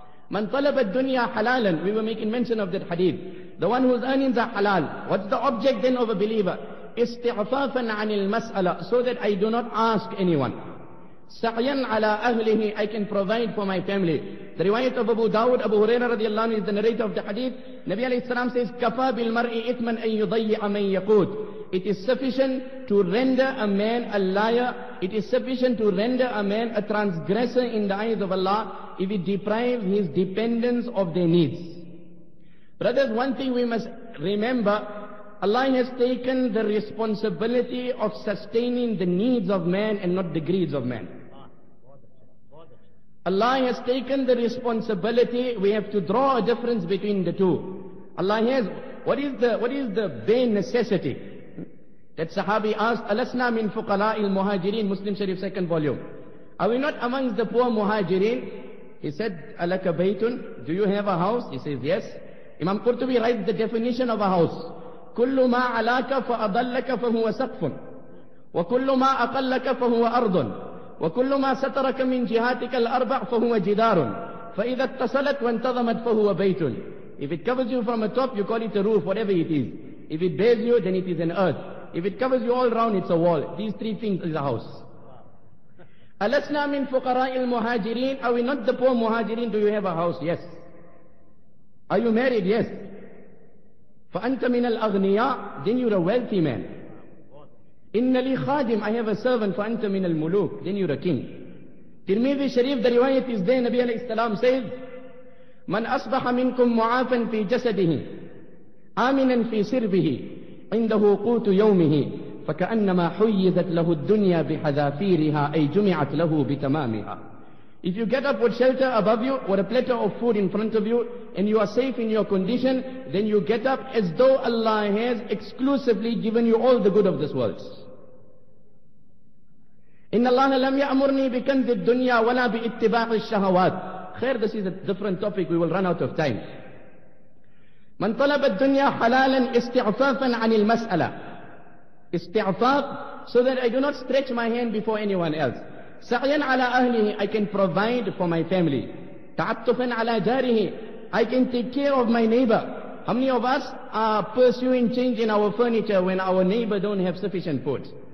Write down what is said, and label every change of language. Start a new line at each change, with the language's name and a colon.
Arabic: مَنْ طَلَبَ الدُّنْيَا حَلَالًا.
English: We were making mention of that hadith. The one whose earnings are halal. What's the object then of a believer?
Arabic: إِسْتِعْفَافًا عَنِ الْمَسْأَلَةِ.
English: So that I do not ask anyone.
Arabic: سَعْيًا عَلَىٰ أَهْلِهِ.
English: I can provide for my family. The riwayat of Abu Dawud, Abu Huraira radiallahu anhu, is the narrator of the hadith. Nabi alayhi salam says,
Arabic: كَفَى بِالْمَرْءِ إِثْمًا أَن يُضَيِّعَ مَن يَقُودُ.
English: It is sufficient to render a man a liar. It is sufficient to render a man a transgressor in the eyes of Allah if he deprives his dependents of their needs. Brothers, one thing we must remember, Allah has taken the responsibility of sustaining the needs of man and not the greeds of man. Allah has taken the responsibility. We have to draw a difference between the two. Allah has, what is the bare necessity? That Sahabi asked,
Arabic: Alasna min fuqala il muhajirin,
English: Muslim Sharif second volume. Are we not amongst the poor muhajirin? He said,
Arabic: Alaka baytun,
English: do you have a house? He says, yes. Imam Qurtubi writes the definition of a house.
Arabic: كل ما علاك فأضلك فهو سقف وكل ما أقلك فهو أرض وكل ما سترك من جهاتك الأربع فهو جدار فإذا اتصلت وانتظمت فهو بيت.
English: If it covers you from a top, you call it a roof, whatever it is. If it bears you, then it is an earth. If it covers you all round, it's a wall. These three things is a house.
Arabic: ألسنا من فقراء المهاجرين.
English: Are we not the poor مهاجرين? Do you have a house? Yes. Are you married? Yes.
Arabic: فَأَنْتَ مِنَ الْأَغْنِيَاءِ.
English: Then you're a wealthy man.
Arabic: إِنَّ لِي خَادِمْ.
English: I have a servant.
Arabic: فَأَنْتَ مِنَ الْمُلُوكِ.
English: Then you're a king. Tirmidhi Sharif, the riwayat is there. Nabi alayhi salam says,
Arabic: مَنْ أَصْبَحَ مِنْكُمْ مُعَافًا فِي جَسَدِهِ آمِنًا فِي سِرْبِهِ عِنْدَهُ قُوتُ يَوْمِهِ فَكَأَنَّمَا حُيِّزَتْ لَهُ الدُّنْيَا بِحَذَافِيرِهَا أَيْ جُمِعَتْ لَهُ بِتَمَامِهَا.
English: If you get up with shelter above you, with a platter of food in front of you, and you are safe in your condition, then you get up as though Allah has exclusively given you all the good of this world.
Arabic: إن الله لم يأمرني بكنز الدنيا ولا باتباع الشهوات.
English: خير, this is a different topic, we will run out of time.
Arabic: من طلب الدنيا حلالا استعفافا عن المسألة.
English: استعفاف, so that I do not stretch my hand before anyone else.
Arabic: سعيا على أهله,
English: I can provide for my family.
Arabic: تعطفا على جاره,
English: I can take care of my neighbor. How many of us are pursuing change in our furniture when our neighbor don't have sufficient food?